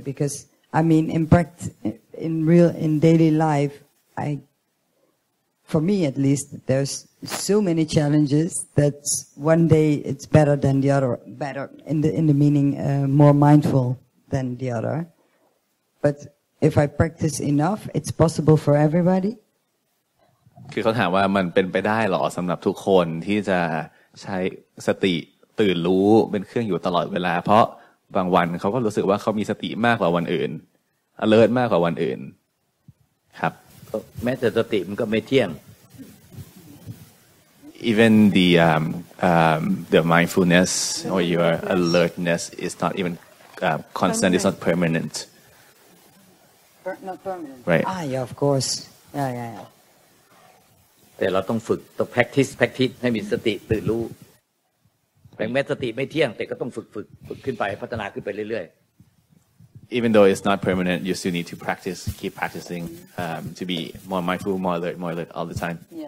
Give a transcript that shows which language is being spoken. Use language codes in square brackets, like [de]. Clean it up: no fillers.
[en] Because I mean, in practice, in daily life, for me at least, there's so many challenges that one day it's better than the other, better in the meaning more mindful than the other. But if I practice enough, it's possible for everybody. [th] คือเขาถามว่ามันเป็นไปได้หรอสำหรับทุกคนที่จะใช้สติตื่นรู้เป็นเครื่องอยู่ตลอดเวลาเพราะบางวันเขาก็รู้สึกว่าเขามีสติมากกว่าวันอื่น alert มากกว่าวันอื่นครับ แม้แต่สติมันก็ไม่เที่ยง [en] even the mindfulness or your alertness is not even constant, it's not permanent. Not permanent. Right. Ah, yeah, of course. Yeah, yeah, yeah. [th] แต่เราต้องฝึกต้อง practice ให้มีสติตื่นรู้แม้สติไม่เที่ยงแต่ก็ต้องฝึกขึ้นไปพัฒนาขึ้นไปเรื่อยๆ [en] Even though it's not permanent, you still need to practice, keep practicing to be more mindful, more alert all the time.